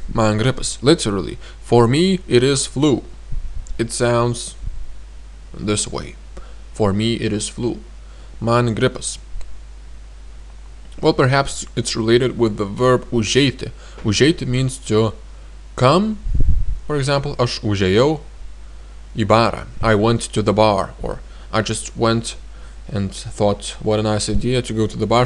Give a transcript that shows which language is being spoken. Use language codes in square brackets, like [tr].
[lt] Man gripas, [en] literally. For me, it is flu. It sounds this way. For me, it is flu. [lt] Man gripas. [en] Well, perhaps it's related with the verb užeiti. Užeiti means to come. For example, [lt] aš užėjau į barą. [en] I went to the bar. Or I just went and thought, what a nice idea to go to the bar.